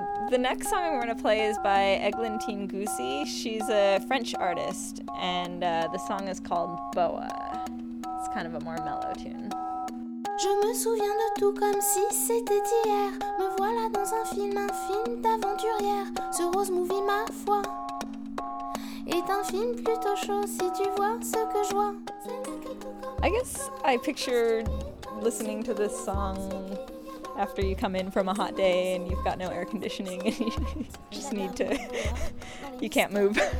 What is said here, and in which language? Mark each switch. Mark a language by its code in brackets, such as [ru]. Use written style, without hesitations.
[en] The next song I'm going to play is by Eglantine Goosey. She's a French artist, and the song is called Boa. It's kind of a more mellow tune. [fr] Je me souviens de tout comme si c'était hier. Me voilà dans un film d'aventurière. Ce rose movie, ma foi, est un film plutôt chaud si tu vois ce que je vois. [en] I guess I pictured listening to this song after you come in from a hot day and you've got no air conditioning and you just need to, you can't move.